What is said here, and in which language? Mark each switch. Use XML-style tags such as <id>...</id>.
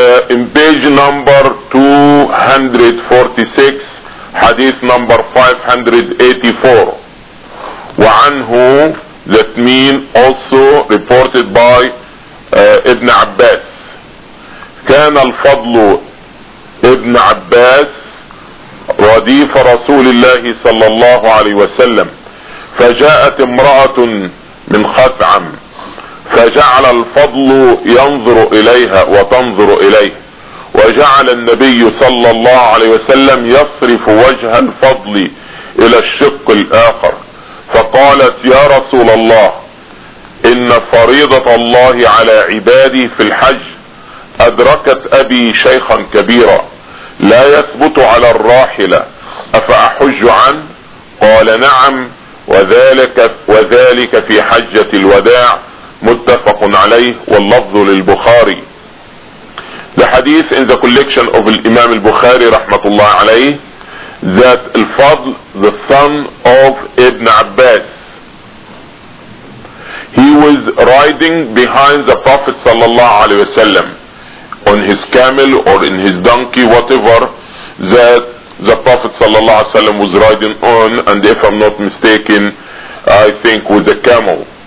<en>In page number 246, hadith number 584,</en> <ar>وَعَنْهُ,</ar> <en>that mean also reported by Ibn Abbas.</en> <ar>كان الفضل Ibn Abbas رديف رسول الله صلى الله عليه وسلم فجاءت امرأة من خثعم فجعل الفضل ينظر إليها وتنظر إليه وجعل النبي صلى الله عليه وسلم يصرف وجه الفضل إلى الشق الآخر فقالت يا رسول الله إن فريضة الله على عبادي في الحج أدركت أبي شيخا كبيرا لا يثبت على الراحلة أفأحج عنه قال نعم وذلك في حجة الوداع متفق عليه واللفظ للبخاري.</ar> <en>The hadith in the collection of Imam al-Bukhari rahmatullah alayh, that al-Fadl, the son of Ibn Abbas, he was riding behind the Prophet sallallahu alayhi wa sallam on his camel or in his donkey, whatever that the Prophet sallallahu alayhi wa sallam was riding on, and if I'm not mistaken, I think with a camel.</en>